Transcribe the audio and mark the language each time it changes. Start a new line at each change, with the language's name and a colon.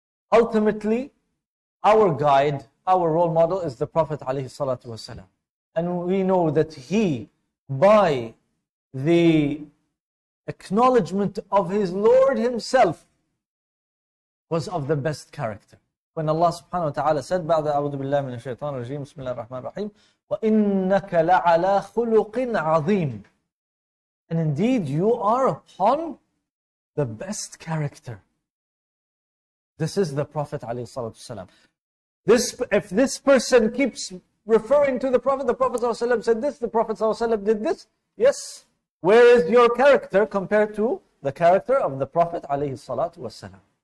English: Ultimately, our guide, our role model is the Prophet alayhi salatu wasalam. And we know that he, by the acknowledgement of his Lord himself, was of the best character. When Allah subhanahu wa ta'ala said,
Arabic: بعد أعوذ بالله من الشيطان الرجيم بسم الله الرحمن الرحيم وَإِنَّكَ لَعَلَى خُلُقٍ عَظِيمٍ.
English: And indeed, you are upon the best character. This is the Prophet alayhi salatu wasalam. If this person keeps referring to the Prophet sallallahu alayhi wasalam said this, the Prophet sallallahu alayhi wasalam did this. Yes, where is your character compared to the character of the Prophet alayhi salatu wasalam?